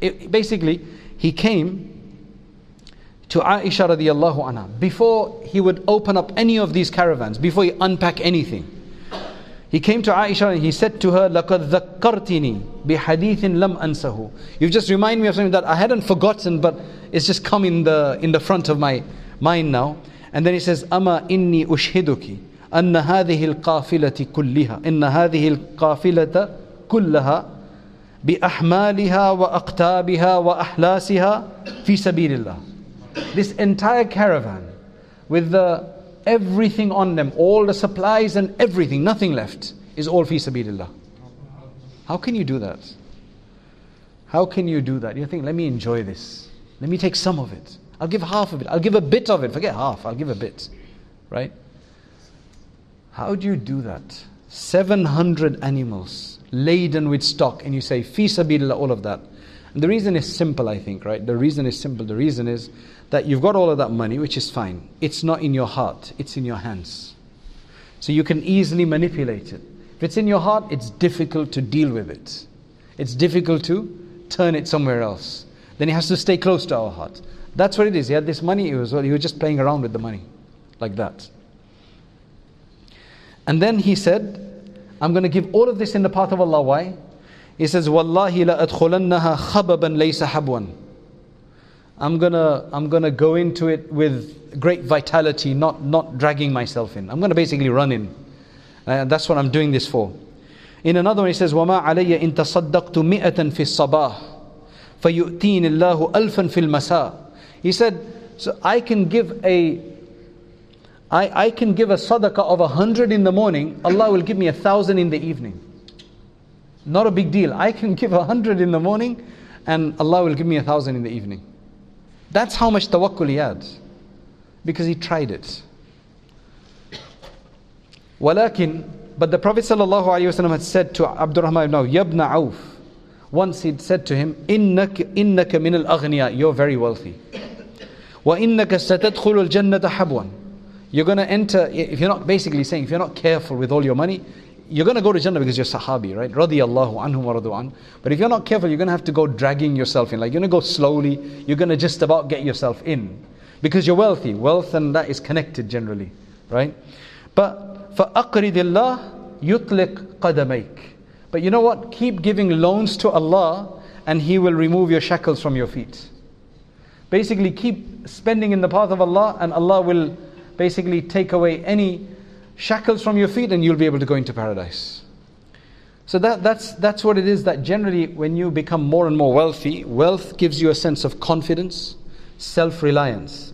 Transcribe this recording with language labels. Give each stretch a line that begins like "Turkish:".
English: Basically, he came to Aisha radiallahu anha before he would open up any of these caravans, before he unpack anything. He came to Aisha and he said to her,
Arabic: لَقَدْ ذَكَّرْتِنِي بِحَدِيثٍ لَمْ أَنْسَهُ.
English: You've just reminded me of something that I hadn't forgotten, but it's just come in the front of my mind now. And then he says,
Arabic: أَمَا إِنِّي أُشْهِدُكِ أَنَّ هَذِهِ الْقَافِلَةِ كُلِّهَا إِنَّ هَذِهِ الْقَافِلَةَ كُلَّهَا بِأَحْمَالِهَا وَأَقْتَابِهَا وَأَحْلَاسِهَا فِي سَبِيلِ اللَّهِ.
English: This entire caravan with the everything on them, all the supplies and everything, nothing left, is all fi sabilillah. How can you do that? How can you do that? You think, let me enjoy this. Let me take some of it. I'll give half of it. I'll give a bit of it. Forget half. I'll give a bit. Right? How do you do that? 700 animals laden with stock and you say fi sabilillah, all of that. And the reason is simple, I think, right? The reason is that you've got all of that money, which is fine. It's not in your heart, it's in your hands. So you can easily manipulate it. If it's in your heart, it's difficult to deal with it. It's difficult to turn it somewhere else. Then it has to stay close to our heart. That's what it is. He had this money, he was just playing around with the money, like that. And then he said, I'm going to give all of this in the path of Allah. Why? He says,
Arabic: وَاللَّهِ لَأَدْخُلَنَّهَا خَبَبًا لَيْسَ حَبْوًا.
English: I'm gonna go into it with great vitality, not dragging myself in. I'm gonna basically run in. And that's what I'm doing this for. In another one he says,
Arabic: وَمَا عَلَيَّ إِن تَصَدَّقْتُ مِئَةً فِي الصَّبَاحِ فَيُؤْتِينِ اللَّهُ أَلْفًا فِي الْمَسَاءِ.
English: He said, so I can give a sadaqah of 100 in the morning, Allah will give me 1,000 in the evening. Not a big deal. I can give 100 in the morning and Allah will give me 1,000 in the evening. That's how much tawakkul he had. Because he tried it. Walakin, but the Prophet sallallahu alayhi wasallam had said to Abdurrahman ibn Auf, Yabna Auf, once he'd said to him,
Arabic: innaka min al-aghniya,
English: you're very wealthy.
Arabic: Wa innaka satadkhulu al-jannata habwan.
English: You're going to enter, if you're not, basically saying, if you're not careful with all your money, you're going to go to Jannah because you're Sahabi, right? Radiyallahu anhum wa radu an. But if you're not careful, you're going to have to go dragging yourself in. Like, you're going to go slowly. You're going to just about get yourself in. Because you're wealthy. Wealth and that is connected generally, right? But,
Arabic: فَأَقْرِدِ اللَّهِ يُطْلِقْ قَدَمَيْكِ.
English: But you know what? Keep giving loans to Allah and He will remove your shackles from your feet. Basically, keep spending in the path of Allah and Allah will basically take away any shackles from your feet and you'll be able to go into paradise. So that's what it is, that generally when you become more and more wealthy, wealth gives you a sense of confidence, self-reliance.